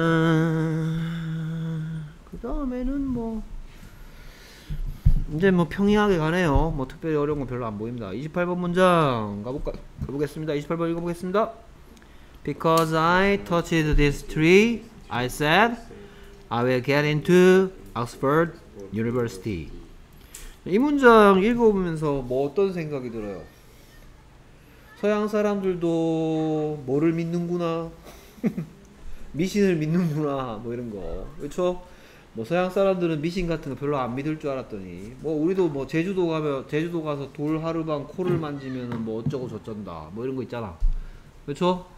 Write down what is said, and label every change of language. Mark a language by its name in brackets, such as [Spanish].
[Korean] 그 다음에는 뭐 이제 뭐 평이하게 가네요. 뭐 특별히 어려운 건 별로 안 보입니다. 28번 문장 가보겠습니다. 28번 읽어보겠습니다. [English] Because I touched this tree, I said I will get into Oxford University. [Korean] 이 문장 읽어보면서 뭐 어떤 생각이 들어요? 서양 사람들도 뭐를 믿는구나. 미신을 믿는구나 뭐 이런 거. 그렇죠? 뭐 서양 사람들은 미신 같은 거 별로 안 믿을 줄 알았더니 뭐 우리도 뭐 제주도 가면 제주도 가서 돌 하루 밤 코를 만지면은 뭐 어쩌고 저쩐다 뭐 이런 거 있잖아. 그렇죠?